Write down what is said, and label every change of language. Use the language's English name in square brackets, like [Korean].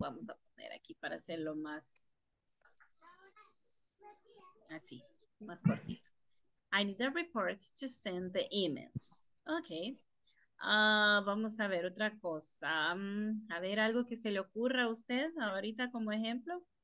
[Spanish] Vamos a poner aquí para hacerlo más así, más cortito. [English] I need the reports to send the emails. [Spanish] Okay. Vamos a ver otra cosa. A ver, algo que se le ocurra a usted ahorita como ejemplo.